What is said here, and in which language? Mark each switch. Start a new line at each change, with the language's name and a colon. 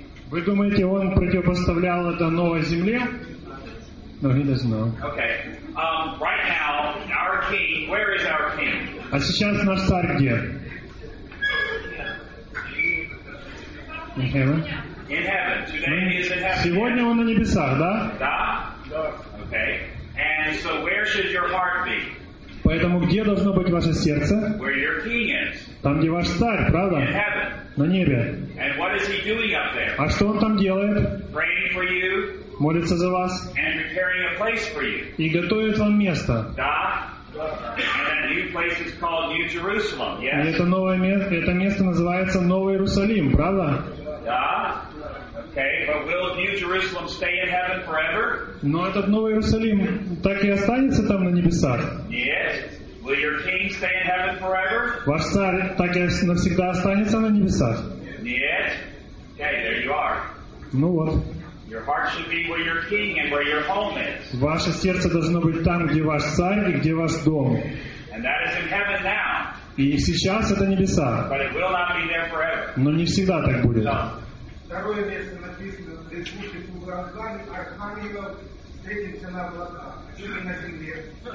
Russian: Вы думаете, он противопоставлял это новой земле?
English: No, he doesn't know. Okay. Right now, our king, where is our king?
Russian: А сейчас наш царь где?
English: In heaven. In heaven. Today he is in heaven.
Russian: Сегодня он на небесах, да?
English: Да. Okay. And so where should your heart be?
Russian: Поэтому где должно быть ваше сердце?
English: Where your king is.
Russian: Там, где ваш царь, правда?
English: In heaven.
Russian: На небе.
English: And what is he doing up there?
Russian: А что он там делает?
English: Praying for you.
Russian: Молится за вас.
English: And preparing a place for you.
Russian: И готовит вам место. Да.
English: And that new place is called New Jerusalem. Yes.
Russian: И это новое место, это место называется Новый Иерусалим, правда?
English: Да. Okay. But will New Jerusalem stay in heaven forever?
Russian: Но этот Новый Иерусалим так и останется там на небесах?
English: Yes. Will your king stay in heaven forever?
Russian: Ваш царь так и навсегда останется на небесах?
English: Yes. Okay. There you are.
Russian: Ну вот.
English: Your heart should be where your king and where your home is.
Russian: Ваше сердце должно быть там, где ваш царь и где ваш дом.
English: And that is in heaven now.
Russian: И сейчас это небеса.
English: But it will not be there forever.
Russian: Но не всегда так будет.
English: No.
Russian: Второе место написано, где слушает Уграхани, Архангел встретится на облаках, или на земле.